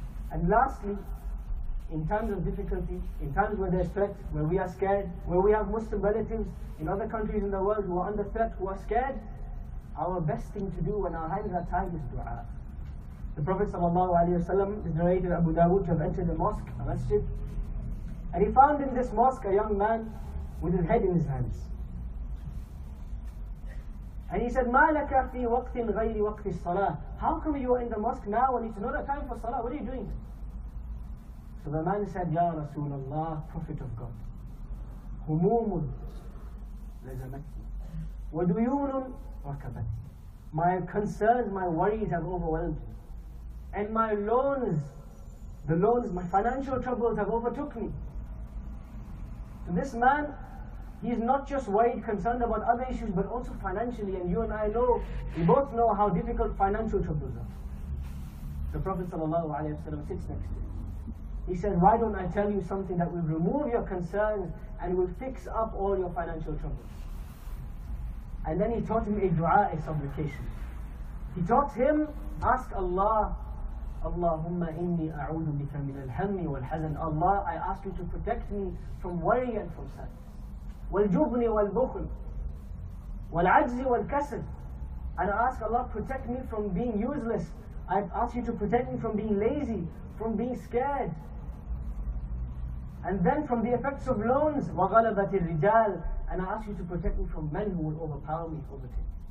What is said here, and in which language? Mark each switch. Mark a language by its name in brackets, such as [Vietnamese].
[English] And lastly, in times of difficulty, in times where there's threat, where we are scared, where we have Muslim relatives in other countries in the world who are under threat, who are scared, our best thing to do when our hands are tied is dua. The Prophet sallallahu alayhi wa sallam is narrated Abu Dawood to have entered a mosque, a masjid. And he found in this mosque a young man with his head in his hands. And he said, [Arabic] مَا لَكَ فِي وَقْتٍ غَيْرِ وَقْتِ الصَّلَاةِ. [English] How come you are in the mosque now when it's not a time for salah? What are you doing? So the man said, Ya Rasulullah, Prophet of God. [Arabic] هُمُومٌ لَزَمَتْنِ وَدُيُونٌ رَكَبَتْنِ. [English] My concerns, my worries have overwhelmed me. And my loans, the loans, my financial troubles have overtook me. So this man, he is not just worried, concerned about other issues, but also financially. And you and I know, we both know how difficult financial troubles are. The Prophet sallallahu alayhi wa sallam sits next to him. He said, why don't I tell you something that will remove your concerns and will fix up all your financial troubles? And then he taught him a dua, a supplication. He taught him, ask Allah, [Arabic] اللهم إني أعوذ بك من الهم والحزن. [English] Allah, I ask you to protect me from worry and from sadness. [Arabic] والجبن والبخل والعجز والكسل. [English] And I ask Allah, protect me from being useless. I ask you to protect me from being lazy, from being scared. And then from the effects of loans, [Arabic] وغلبة الرجال. [English] And I ask you to protect me from men who will overpower me, overtake me.